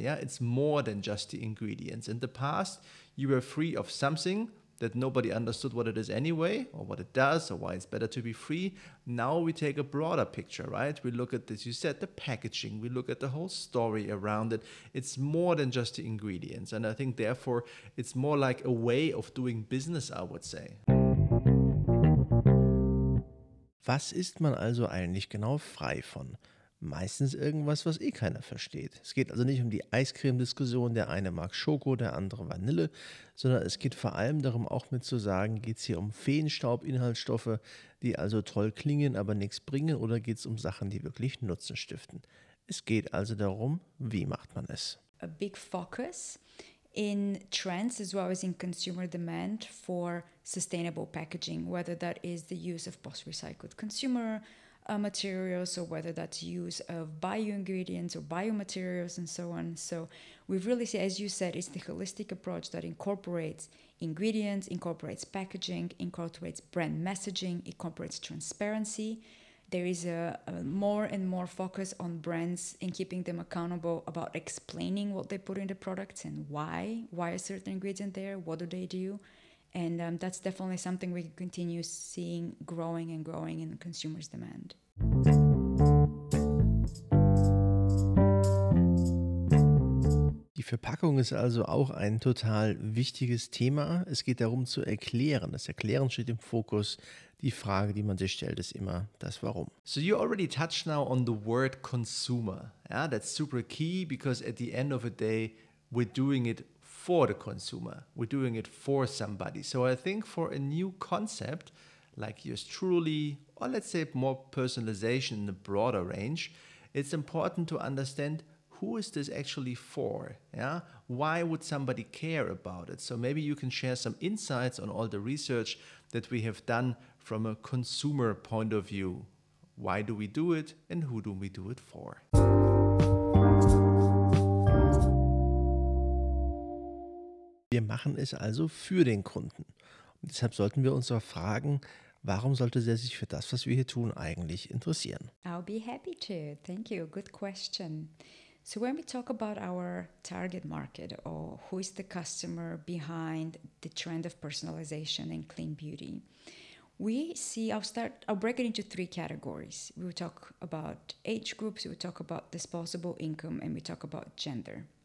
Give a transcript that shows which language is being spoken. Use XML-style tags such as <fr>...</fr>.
<en>Yeah, it's more than just the ingredients. In the past, you were free of something that nobody understood what it is anyway, or what it does, or why it's better to be free. Now we take a broader picture, right? We look at, as you said, the packaging, we look at the whole story around it. It's more than just the ingredients. And I think therefore, it's more like a way of doing business, I would say.</en> <de>Was ist man also eigentlich genau frei von? Meistens irgendwas, was eh keiner versteht. Es geht also nicht um die Eiscreme-Diskussion, der eine mag Schoko, der andere Vanille, sondern es geht vor allem darum, auch mit zu sagen, geht es hier um Feenstaub-Inhaltsstoffe, die also toll klingen, aber nichts bringen, oder geht es um Sachen, die wirklich Nutzen stiften. Es geht also darum, wie macht man es?</de> <en>A big focus in trends as well as in consumer demand for sustainable packaging, whether that is the use of post-recycled consumer materials, or whether that's use of bio ingredients or biomaterials and so on. So we've really seen, as you said, it's the holistic approach that incorporates ingredients, incorporates packaging, incorporates brand messaging, incorporates transparency. There is a more and more focus on brands in keeping them accountable about explaining what they put in the products and why a certain ingredient there, what do they do. And that's definitely something we continue seeing growing and growing in consumers' demand.</en> <de>Die Verpackung ist also auch ein total wichtiges Thema. Es geht darum zu erklären. Das Erklären steht im Fokus. Die Frage, die man sich stellt, ist immer das Warum.</de> <en>So you already touched now on the word consumer. Yeah, that's super key because at the end of the day, we're doing it for the consumer. We're doing it for somebody. So I think for a new concept like yours truly, or let's say more personalization in the broader range, it's important to understand who is this actually for? Yeah, why would somebody care about it? So maybe you can share some insights on all the research that we have done from a consumer point of view. Why do we do it and who do we do it for?</en> <de>Wir machen es also für den Kunden. Und deshalb sollten wir uns auch fragen, warum sollte er sich für das, was wir hier tun, eigentlich interessieren?</de> <en>I'll be happy to. Thank you. Good question. So when we talk about our target market or who is the customer behind the trend of personalization and clean beauty, we see, I'll break it into three categories. We will talk about age groups, we will talk about disposable income, and we talk about gender.</en>